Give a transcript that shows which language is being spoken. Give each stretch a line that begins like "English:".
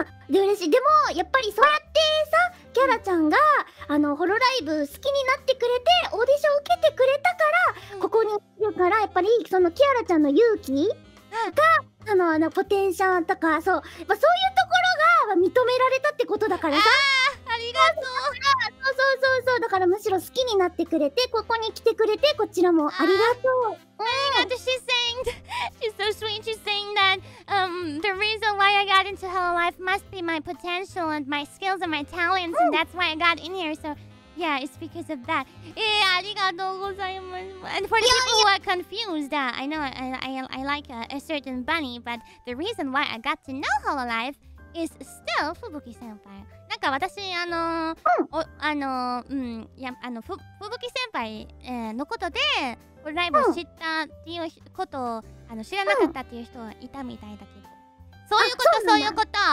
Japanese: で嬉しい。でもやっぱりそうやってさ、キャラちゃんが、うん、あのホロライブ好きになってくれてオーディション受けてくれたから、うん、ここにいるから、やっぱりそのキャラちゃんの勇気が、うん、あのポテンシャルとか、そう、まあ、そういうところが、まあ、認められたってことだからさ、ありがとう。そうだからむしろ好きになってくれて、ここに来てくれて、こちらもありがとう。ありがとう。
English: She's saying she's so sweet. She's saying that the reason why I got into Hololive must be my potential and my skills and my talents, and that's why I got in here. So yeah, it's because of that.
Japanese: ありがとうございます。
English: And for the people who are confused, I know I like a certain bunny, but the reason why I got to know Hololive is still Fubuki-senpai.
Japanese: なんか私、Fubuki-senpai、のことでホロライブを知ったっていうことを、あの、知らなかったっていう人いたみたいだけど、そういうこと、そういうこと。